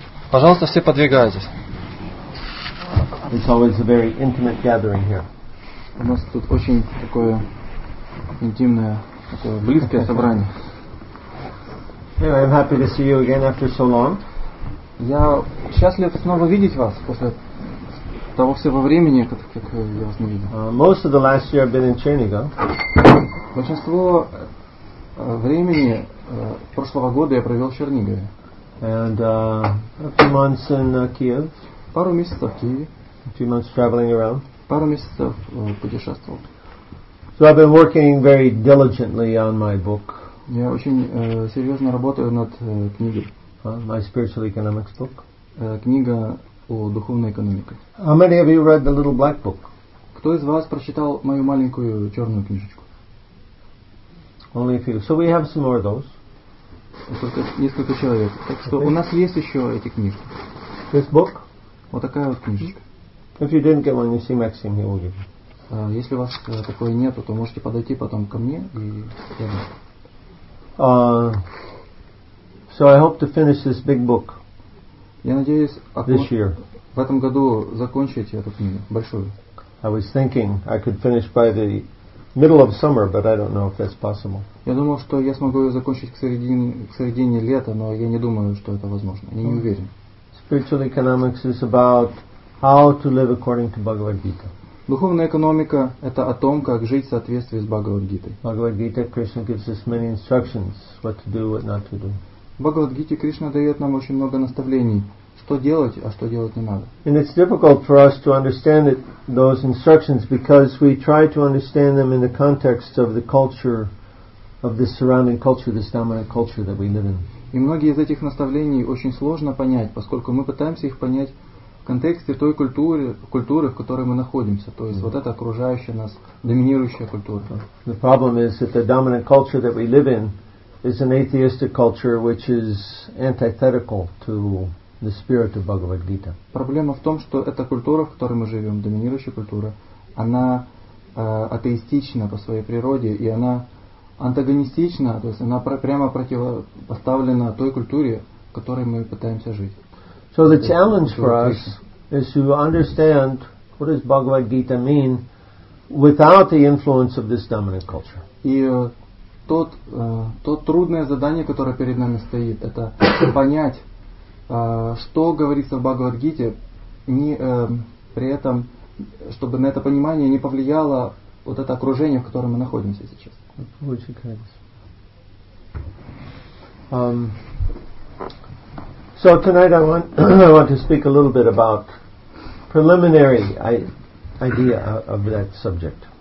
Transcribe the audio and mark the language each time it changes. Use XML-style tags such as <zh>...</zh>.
<ru>Пожалуйста, все подвигайтесь.</ru> <en>It's always a very intimate gathering here.</en> <ru>У нас тут очень такое интимное, такое близкое собрание.</ru> <en>Anyway, I'm happy to see you again after so long.</en> <ru>Я счастлив снова видеть вас после того всего времени, как я вас не видел.</ru> <en>Most of the last year I've been in Chernigov.</en> <ru>Большинство времени прошлого года я провел в Чернигове.</ru> <en>And a few months in Kiev.</en> <ru>Пару месяцев в Киеве.</ru> <en>A few months traveling around.</en> <ru>Пару месяцев путешествовал.</ru> <en>So I've been working very diligently on my book.</en> <ru>Я очень серьезно работаю над книгой.</ru> <en>My spiritual economics book.</en> <ru>Книга о духовной экономике.</ru> <en>How many of you read the little black book?</en> <ru>Кто из вас прочитал мою маленькую черную книжечку?</ru> <en>Only a few. So we have some more of those.</en> <ru>Только несколько человек. Так что у нас есть еще эти книжки.</ru> <en>This book?</en> <ru>Вот такая вот книжечка.</ru> <en>If you didn't get one, you see Maxim, he will give you.</en> <ru>Если у вас такое нету, то можете подойти потом ко мне и я дам.</ru> <en>So I hope to finish this big book.</en> <ru>Я надеюсь,</ru> <en>this year.</en> <ru>В этом году закончить эту книгу большую.</ru> <en>I was thinking I could finish by the middle of summer, but I don't know if that's possible.</en> <ru>Я думал, что я смогу ее закончить к середине лета, но я не думаю, что это возможно. Я не уверен.</ru> <en>Spiritual economics is about how to live according to Bhagavad Gita.</en> <ru>Духовная экономика это о том, как жить в соответствии с Бхагавад Гитой.</ru> <en>Bhagavad Gita, Krishna gives us many instructions what to do, what not to do.</en> <ru>В Бхагавад Гите Кришна дает нам очень много наставлений, что делать, а что делать не надо.</ru> <en>And it's difficult for us to understand it, those instructions, because we try to understand them in the context of the culture, of this surrounding culture, this dominant culture that we live in.</en> <ru>И многие из этих наставлений очень сложно понять, поскольку мы пытаемся их понять в контексте той культуры, в которой мы находимся, то есть вот эта окружающая нас доминирующая культура.</ru> <en>The problem is that the dominant culture that we live in is an atheistic culture which is antithetical to the spirit of Bhagavad Gita.</en> <ru>Проблема в том, что эта культура, в которой мы живем, доминирующая культура, она атеистична по своей природе, и она антагонистична, то есть она прямо противопоставлена той культуре, в которой мы пытаемся жить.</ru> <en>So the challenge for us is to understand what does Bhagavad Gita mean without the influence of this dominant culture.</en> <ru>Тот трудное задание, которое перед нами стоит, это понять, что говорится в Бхагавад-гите, при этом, чтобы на это понимание не повлияло вот это окружение, в котором мы находимся сейчас.</ru> <en>So tonight I want to speak a little bit about preliminary idea of that subject.</en>